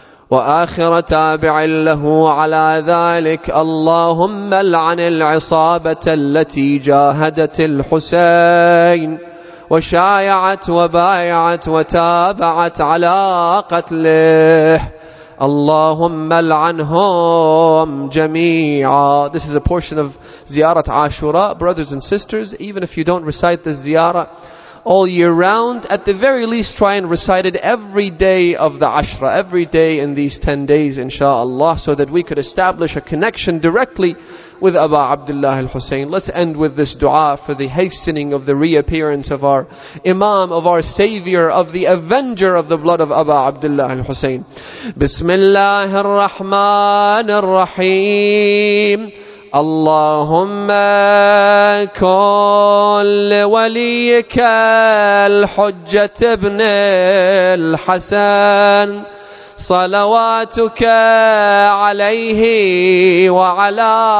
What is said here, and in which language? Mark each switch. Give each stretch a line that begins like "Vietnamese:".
Arabic: وآخر تابع له على ذلك اللهم لعن العصابة التي جاهدت الحسين وشايعت وبايعت وتابعت على قتله اللهم لعنهم جميعا.
English: This is a portion of Ziyarat Ashura. Brothers and sisters, even if you don't recite this Ziyara all year round, at the very least try and recite it every day of the Ashra, every day in these 10 days inshallah, so that we could establish a connection directly with Aba Abdullah al-Hussein. Let's end with this dua for the hastening of the reappearance of our Imam, of our Savior, of the Avenger of the blood of Aba Abdullah al-Hussein.
Arabic: Bismillah ar-Rahman ar-Rahim. اللهم كن لوليك الحجة ابن الحسن صلواتك عليه وعلى